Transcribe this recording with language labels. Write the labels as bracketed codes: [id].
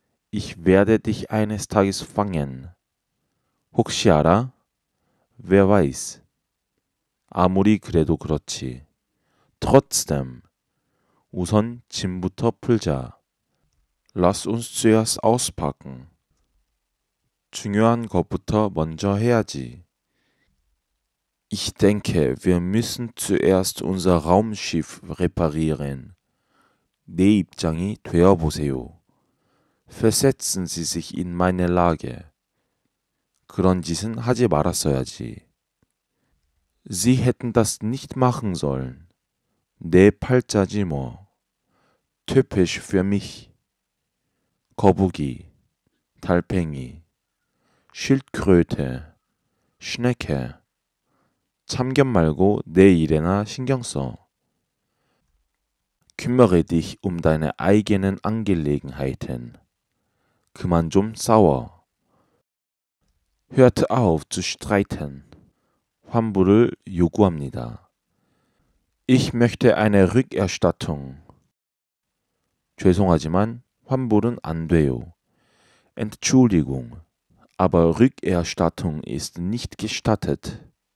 [de] Ich werde dich eines Tages fangen. [ko] 혹시 알아? [de] Wer weiß? [ko] 아무리 그래도 그렇지. [de] Trotzdem. [ko] 우선 짐부터 풀자. [de] Lass uns zuerst auspacken. [ko] 중요한 것부터 먼저 해야지. [de] Ich denke, wir müssen zuerst unser Raumschiff reparieren. [ko] 내 입장이 되어보세요. [de] Versetzen Sie sich in meine Lage. [ko] 그런 짓은 하지 말았어야지. [de] Sie hätten das nicht machen sollen. [ko] 내 팔자지 뭐. [de] Typisch für mich. [ko] 거북이, 달팽이, 실크röte, 스네케. 참견 말고 내 일에나 신경 써. [de] Kümmere dich um deine eigenen Angelegenheiten. [ko] 그만 좀 싸워. [de] Hört auf zu streiten. [ko] 환불을 요구합니다. [de] Ich möchte eine Rückerstattung. [ko] 죄송하지만 환불은 안 돼요. [de] Entschuldigung, aber Rückerstattung ist nicht gestattet.